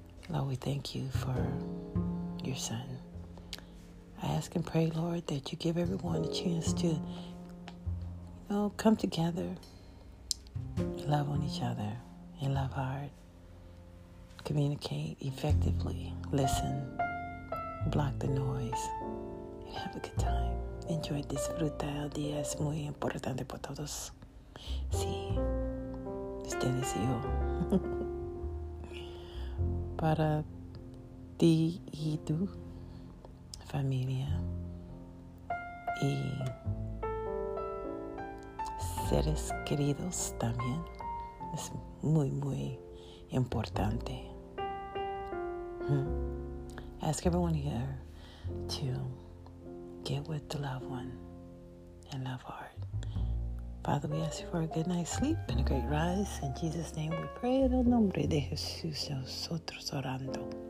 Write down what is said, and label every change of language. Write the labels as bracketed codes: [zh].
[en] Lord, we thank you for your Son. I ask and pray, Lord, that you give everyone a chance to, oh, come together, love on each other, and love hard, communicate effectively, listen, block the noise, and have a good time. Enjoy, [es] disfruta, el día es muy importante para todos. Sí, ustedes y yo. Para ti y tu familia, y seres queridos también. Es muy, muy importante. [en] Ask everyone here to get with the loved one and love hard. Father, we ask you for a good night's sleep and a great rise. In Jesus' name we pray, [es] en el nombre de Jesús, nosotros orando.